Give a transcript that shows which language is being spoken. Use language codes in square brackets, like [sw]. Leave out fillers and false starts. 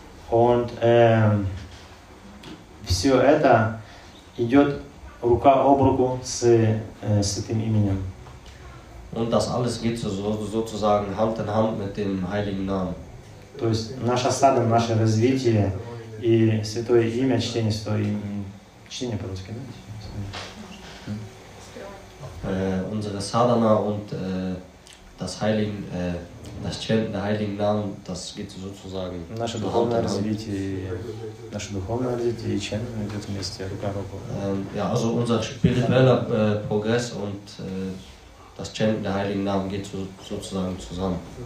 [ru] Und все это идет рука об руку с этим именем. [de] Und das alles geht sozusagen Hand in Hand mit dem heiligen Namen. [ru] То есть наша садхана, наше развитие и святое имя, чтение святого имени. Чтение по-русски, да? [de] unsere Sadhana und das Heiligen, das Chanten der Heiligen Namen, das geht sozusagen also unser spiritueller Progress und das Chanten der Heiligen Namen geht sozusagen zusammen.